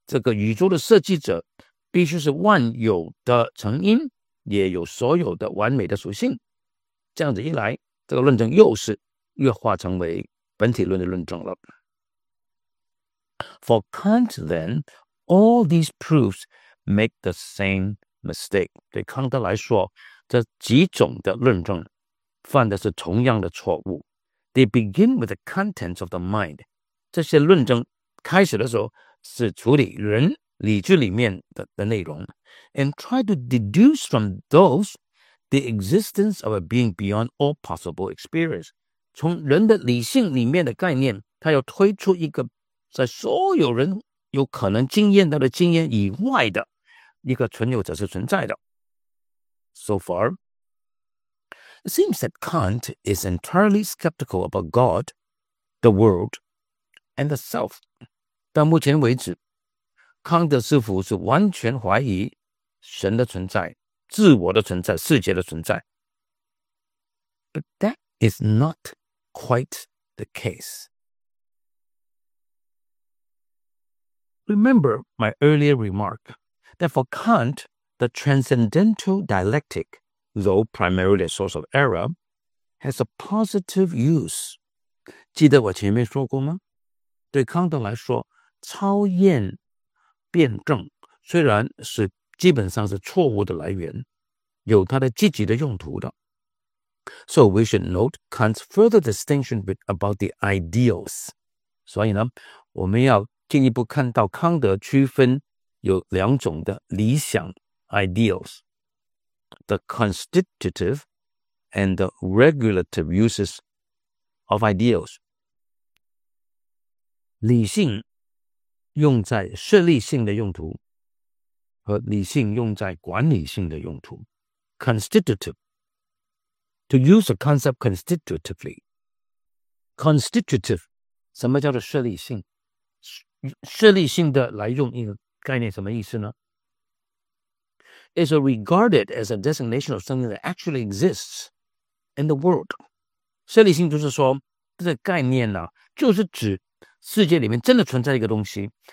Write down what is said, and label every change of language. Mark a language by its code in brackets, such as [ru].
[zh] 只要你要证明神的存在,你就必须加上宇宙论的论证,就是说,这个宇宙的设计者, 必须是万有的成因,也有所有的完美的属性。这样子一来,这个论证又是越化成为本体论的论证了。 [en] For Kant, then, all these proofs make the same mistake. [zh] 对康德来说,这几种的论证犯的是同样的错误。 [en] They begin with the contents of the mind. [zh] 这些论证开始的时候是处理人, 理智里面的内容, [en] and try to deduce from those the existence of a being beyond all possible experience. [zh] 从人的理性里面的概念, 他要推出一个在所有人有可能经验到的经验以外的一个存有者是存在的. [en] So far, it seems that Kant is entirely skeptical about God, the world, and the self. [zh] 到目前为止, 康德师父是完全怀疑神的存在,自我的存在,世界的存在. [en] But that is not quite the case. Remember my earlier remark that for Kant, the transcendental dialectic, though primarily a source of error, has a positive use. [zh] 记得我前面说过吗? 对康德来说,超验 辩证虽然是基本上是错误的来源,有它的积极的用途的。 [en] So we should note Kant's further distinction about the ideals. [zh] 所以呢,我们要进一步看到康德区分有两种的理想ideals, [en] the constitutive and the regulative uses of ideals. [zh] 理性用在设立性的用途和理性用在管理性的用途。 [en] Constitutive. To use a concept constitutively. Constitutive. [zh] 什么叫做设立性？设立性的来用一个概念什么意思呢？ [en] Is regarded as a designation of something that actually exists in the world. [zh] 设立性就是说这个概念呢、啊、就是指世界里面真的存在一个东西。